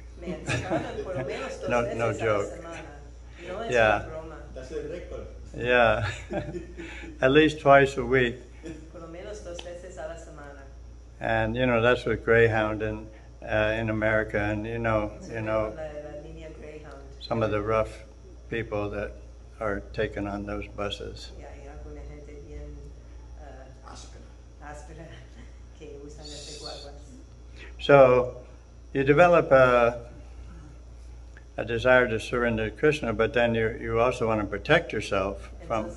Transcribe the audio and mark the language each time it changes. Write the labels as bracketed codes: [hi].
[es] Me atacaban por lo menos dos veces a la semana. [en] Yeah. At least twice a week. [es] Por lo menos dos veces a la semana. [en] And you know that's with Greyhound in America, and you know [es] la línea Greyhound. [en] Some of the rough people that are taken on those buses. [es] Yeah, y alguna gente bien áspera que usan ese guaguas. [en] So you develop a desire to surrender to Krishna, but then you also want to protect yourself from.